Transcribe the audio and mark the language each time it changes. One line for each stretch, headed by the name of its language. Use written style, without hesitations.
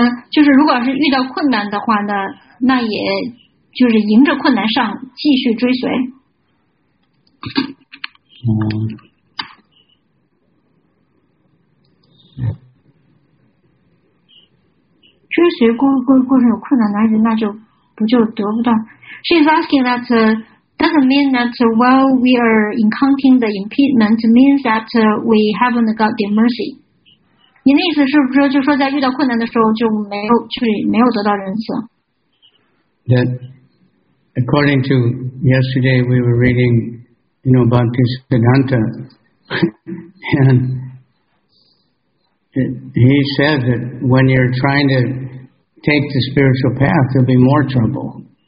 Chinese: 就是如果是遇到困难的话呢，那也就是迎着困难上，继续追随。追随过程有困难，那就不就得不到。
English: She's asking that doesn't mean that while we are encountering the impediment means that we haven't got the mercy.
Chinese: 你的意思是不是就说在遇到困难的时候就没有得到仁慈
English: ？That according to yesterday we were reading, you know, Bhaktisiddhanta, and he said that when you're trying to take the spiritual path, there'll be more trouble.